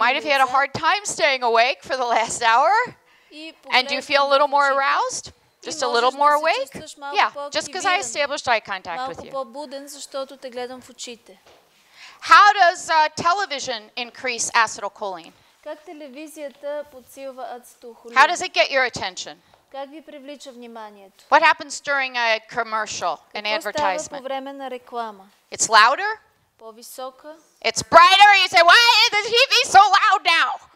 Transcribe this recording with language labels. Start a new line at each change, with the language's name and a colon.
English: Who might have had a hard time staying awake for the last hour? And do you feel a little more aroused? Just a little more awake? Yeah, just because I established eye contact with you.
Bulgarian: Малко по-буден, защото те гледам в очите.
English: How does television increase acetylcholine?
Bulgarian: Как телевизията подсилва ацетилхолина?
English: How does it get your attention?
Bulgarian: Как ви привлича вниманието?
English: What happens during a commercial, an advertisement?
Bulgarian: Какво става по време на реклама?
English: It's louder.
Bulgarian: По-висока.
English: It's brighter. You say, why is the TV so loud now?